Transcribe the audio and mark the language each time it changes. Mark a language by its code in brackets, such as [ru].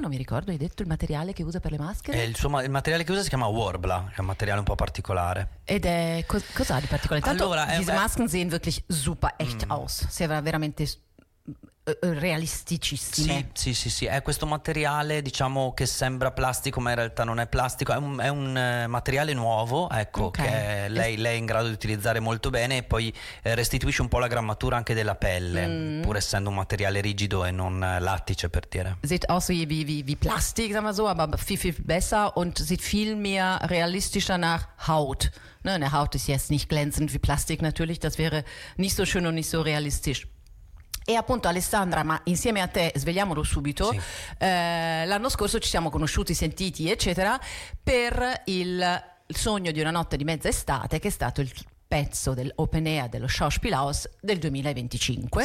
[it] Non mi ricordo, hai detto il materiale che usa per le maschere? Il materiale che usa si chiama Warbla, è un materiale un po' particolare. Ed è cos'ha di particolare? Tanto allora, [de] diese Masken sehen wirklich super echt aus. [it] Sembra veramente realisticissime. Sì, sì, sì, sì, è questo materiale, diciamo, che sembra plastico ma in realtà non è plastico, è un materiale nuovo, ecco, okay. Che lei è in grado di utilizzare molto bene, e poi restituisce un po' la grammatura anche della pelle, pur essendo un materiale rigido e non lattice, per dire. [de] Sieht aus wie Plastik, sagen wir so, aber viel, viel besser und sieht viel mehr realistischer nach Haut. Ne, eine Haut ist jetzt nicht glänzend wie Plastik natürlich, das wäre nicht so schön und nicht so realistisch. [it] E appunto Alessandra, ma insieme a te, svegliamolo subito, sì. L'anno scorso ci siamo conosciuti, sentiti, eccetera, per il sogno di una notte di mezza estate, che è stato il pezzo dell'open air dello Schauspielhaus del 2025.